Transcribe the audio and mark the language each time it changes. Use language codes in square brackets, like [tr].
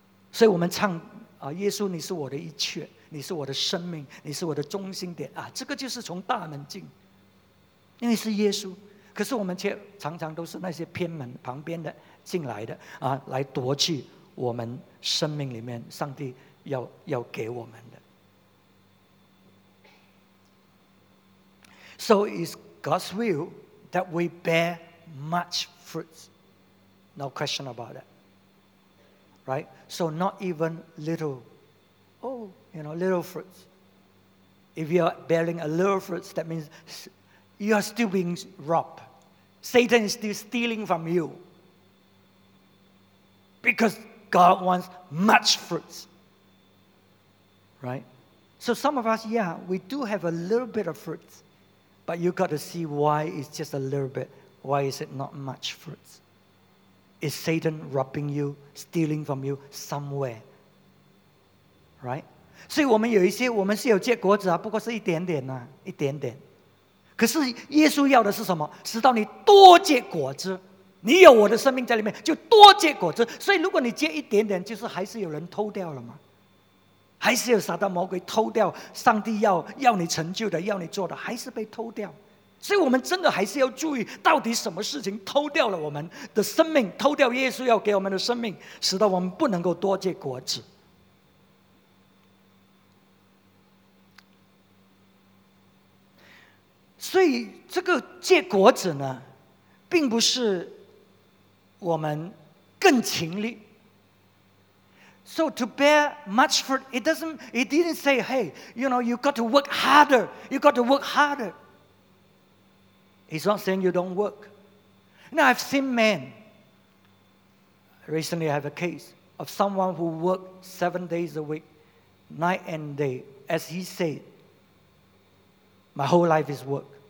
[zh] 所以我们唱耶稣你是我的一切，你是我的生命，你是我的中心点啊！这个就是从大门进，因为是耶稣。可是我们却常常都是那些偏门旁边的进来的啊，来夺去我们生命里面上帝要给我们的。 [en] So it's God's will that we bear much fruits. No question about that. Right? So not even little. Oh. You know, little fruits. If you are bearing a little fruits, that means you are still being robbed. Satan is still stealing from you. Because God wants much fruits. Right? So some of us, yeah, we do have a little bit of fruits. But you got to see why it's just a little bit. Why is it not much fruits? Is Satan robbing you, stealing from you somewhere? Right? [zh] 所以我们有一些，我们是有结果子啊，不过是一点点啊，一点点。可是耶稣要的是什么？使到你多结果子。你有我的生命在里面，就多结果子。所以如果你结一点点，就是还是有人偷掉了嘛，还是有撒旦魔鬼偷掉上帝 要你成就的，要你做的，还是被偷掉。所以我们真的还是要注意，到底什么事情偷掉了我们的生命，偷掉耶稣要给我们的生命，使得我们不能够多结果子。所以这个结果子呢，并不是我们更勤力。 [en] So to bear much fruit, it didn't say, hey, you know, you got to work harder, you got to work harder. It's not saying you don't work. Now, I've seen men, recently I have a case of someone who worked 7 days a week, night and day, as he said, my whole life is work.